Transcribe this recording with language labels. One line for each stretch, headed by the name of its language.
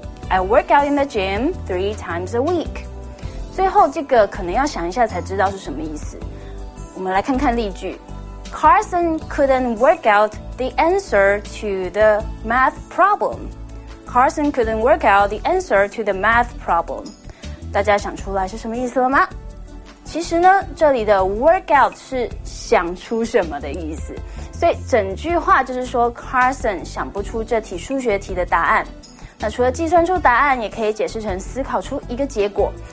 English: I work out in the gym 3 times a week。
Chinese: 最后这个可能要想一下才知道是什么意思，我们来看看例句。
English: Carson couldn't work out the answer to the math problem。 Carson couldn't work out the answer to the math problem。
Chinese: 大家想出来是什么意思了吗？其实呢，这里的 work out 是想出什么的意思，所以整句话就是说 Carson 想不出这题数学题的答案。那除了计算出答案，也可以解释成思考出一个结果。